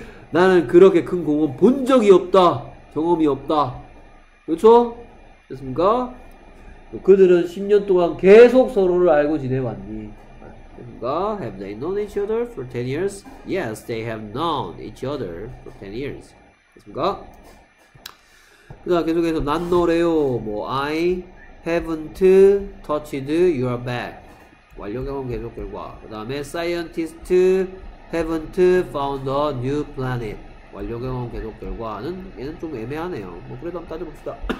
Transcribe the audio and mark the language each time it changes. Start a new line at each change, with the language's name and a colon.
Korean: 나는 그렇게 큰 공원 본 적이 없다, 경험이 없다. 그렇죠? 됐습니까? 그들은 10년 동안 계속 서로를 알고 지내왔니?
English: Have they known each other for 10 years? Yes, they have known each other for 10 years.
Korean: 됐습니까? 그 다음 계속해서 난 너래요.
English: 뭐 I haven't touched your bag.
Korean: 완료 경험 계속 결과. 그 다음에
English: scientists haven't found a new planet.
Korean: 완료 경험 계속 결과는 얘는 좀 애매하네요. 뭐 그래도 한번 따져봅시다.